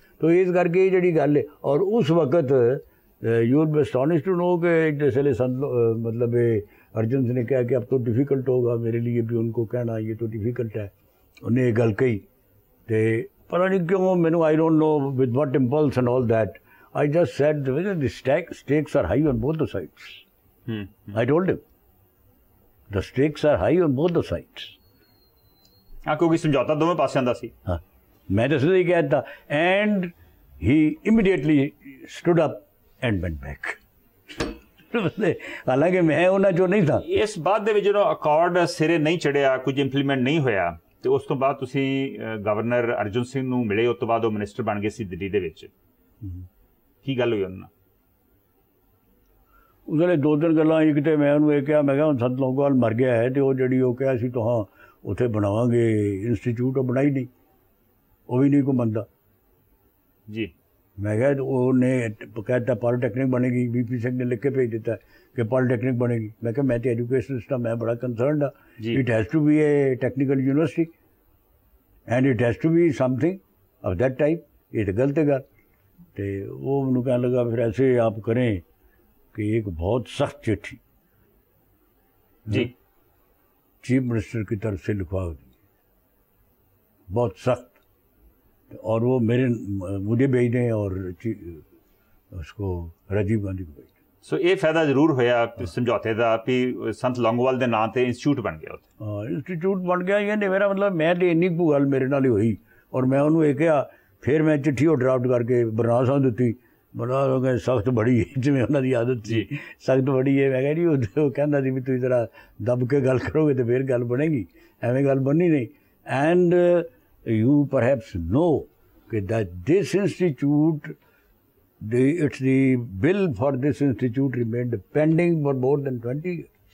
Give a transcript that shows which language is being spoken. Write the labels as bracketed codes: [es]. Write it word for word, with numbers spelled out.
[pa] ਤੋ ਇਸ ਕਰਕੇ ਇਹ ਜਿਹੜੀ ਗੱਲ ਹੈ ਔਰ ਉਸ ਵਕਤ [en] you will be astonished to know [pa] ਕਿ ਜਿਸ ਵੇਲੇ ਸੰਤ ਮਤਲਬ ਅਰਜਨ ਸਿੰਘ ਨੇ ਕਿਹਾ ਕਿ [hi] ਅਬ ਤੋ ਡਿਫੀਕਲਟ ਹੋਗਾ [pa] ਮੇਰੇ ਲਈ ਵੀ ਉਨਕੋ ਕਹਿਣਾ ਇਹ ਤੋ ਡਿਫੀਕਲਟ ਹੈ, ਉਹਨੇ ਇਹ ਗੱਲ ਕਹੀ ਅਤੇ ਪਤਾ ਨਹੀਂ ਕਿਉਂ ਮੈਨੂੰ [en] I don't know with what impulse and all that I just said whether the stakes stakes are high on both the sides. Hmm. I told him the stakes are high on both the sides. [pa] ਹਾਂ, ਕਿਉਂਕਿ ਸਮਝੌਤਾ ਦੋਵੇਂ ਪਾਸਿਆਂ ਦਾ ਸੀ। ਹਾਂ, ਮੈਂ ਤਾਂ ਸਿੱਧਾ ਹੀ ਕਹਿ ਦਿੱਤਾ [en] and he immediately stood up and went back. [pa] ਹਾਲਾਂਕਿ ਮੈਂ ਉਹਨਾਂ ਚੋਂ ਨਹੀਂ ਸਾਂ। ਇਸ ਬਾਅਦ ਦੇ ਵਿੱਚ ਜਦੋਂ ਅਕਾਰਡ ਸਿਰੇ ਨਹੀਂ ਚੜਿਆ, ਕੁਝ ਇੰਪਲੀਮੈਂਟ ਨਹੀਂ ਹੋਇਆ, ਤੇ ਉਸ ਤੋਂ ਬਾਅਦ ਤੁਸੀਂ ਗਵਰਨਰ ਅਰਜਨ ਸਿੰਘ ਨੂੰ ਮਿਲੇ, ਉਸ ਤੋਂ ਬਾਅਦ ਉਹ ਮਿਨਿਸਟਰ ਬਣ ਗਏ ਸੀ ਦਿੱਲੀ ਦੇ ਵਿੱਚ। ਕੀ ਗੱਲ ਹੋਈ ਉਹਨਾਂ ਨਾਲ? ਉਹਦੇ ਲਈ ਦੋ ਤਿੰਨ ਗੱਲਾਂ। ਇੱਕ ਤਾਂ ਮੈਂ ਉਹਨੂੰ ਇਹ ਕਿਹਾ, ਮੈਂ ਕਿਹਾ ਹੁਣ ਸੰਤ ਲੌਂਗੋਵਾਲ ਮਰ ਗਿਆ ਹੈ ਅਤੇ ਉਹ ਜਿਹੜੀ ਉਹ ਕਿਹਾ ਸੀ ਤੁਹਾਂ ਉੱਥੇ ਬਣਾਵਾਂਗੇ ਇੰਸਟੀਚਿਊਟ, ਉਹ ਬਣਾਈ ਨਹੀਂ, ਉਹ ਵੀ ਨਹੀਂ ਕੋਈ ਮੰਨਦਾ ਜੀ। ਮੈਂ ਕਿਹਾ ਉਹਨੇ ਕਹਿ ਦਿੱਤਾ ਪੋਲੀਟੈਕਨਿਕ ਬਣੇਗੀ, ਬੀ ਪੀ ਸਿੰਘ ਨੇ ਲਿਖ ਕੇ ਭੇਜ ਦਿੱਤਾ ਕਿ ਪੋਲੀਟੈਕਨਿਕ ਬਣੇਗੀ। ਮੈਂ ਕਿਹਾ ਮੈਂ ਤਾਂ ਐਜੂਕੇਸ਼ਨ ਸਿਸਟਮ ਮੈਂ ਬੜਾ ਕੰਸਰਨਡ ਹਾਂ, [en] it has to be a technical university and it has to be something of that type, [pa] ਇਹ ਤਾਂ ਗਲਤ ਗੱਲ। ਤੇ ਉਹ ਮੈਨੂੰ ਕਹਿਣ ਲੱਗਾ ਫਿਰ [hi] ਐਸੇ ਆਪ ਕਰੇ [pa] ਕਿ ਇੱਕ ਬਹੁਤ ਸਖਤ ਚਿੱਠੀ जी [hi] चीफ मिनिस्टर की तरफ से लिखवाओ, बहुत सख्त, और वो मेरे मुझे भेज दें और उसको राजीव गांधी को भेज दें। सो ये फायदा जरूर होया समझौते का भी संत लौंगोवाल के नाम से इंस्टीट्यूट बन गया। हाँ, इंस्टीट्यूट बन गया। ये नहीं मेरा मतलब मैं तो इन्नी कुछ गल मेरे नाल ही हुई और मैं उन्होंने ये कहा। [pa] ਫਿਰ ਮੈਂ ਚਿੱਠੀ ਉਹ ਡਰਾਫਟ ਕਰਕੇ ਬਰਨਾਲਾ ਸਾਹਿਬ ਦਿੱਤੀ। ਬਰਨਾਲਾ ਸਾਹਿਬ ਕਹਿੰਦੇ ਸਖਤ ਬੜੀ ਹੈ, ਜਿਵੇਂ ਉਹਨਾਂ ਦੀ ਆਦਤ ਸੀ, ਸਖਤ ਬੜੀ ਹੈ। ਮੈਂ ਕਿਹਾ ਜੀ ਉਹ ਕਹਿੰਦਾ ਸੀ ਵੀ ਤੁਸੀਂ ਜ਼ਰਾ ਦੱਬ ਕੇ ਗੱਲ ਕਰੋਗੇ ਤਾਂ ਫਿਰ ਗੱਲ ਬਣੇਗੀ, ਐਵੇਂ ਗੱਲ ਬਣਨੀ ਨਹੀਂ। [en] and you perhaps know ਕਿ that this institute ਦੀ it's the bill for this institute remained pending for more than twenty year